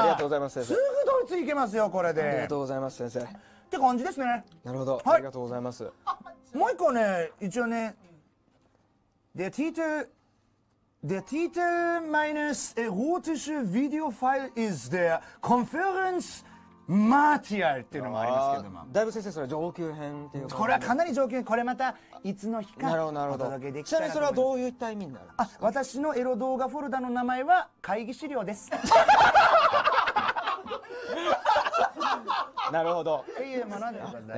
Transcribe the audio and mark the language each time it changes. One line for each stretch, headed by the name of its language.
Japanese: ありがとうございます先生。すぐドイツ行けますよこれで。ありがとうございます先生。って感じですね。なるほど。はい、ありがとうございます。
German: もう一個ね一応ね、der Titel der Titel meines erotischen Videofile ist der Konferenz Material
Japanese: っていうのもありますけども。だいぶ先生それ上級編っていうか。これはかなり上級編。これまたいつの日かお届けできたら。ちなみにそれはどういった意味になるんですか。あ、私のエロ動画フォルダの名前は会議資料です。なるほど。いうものでございます。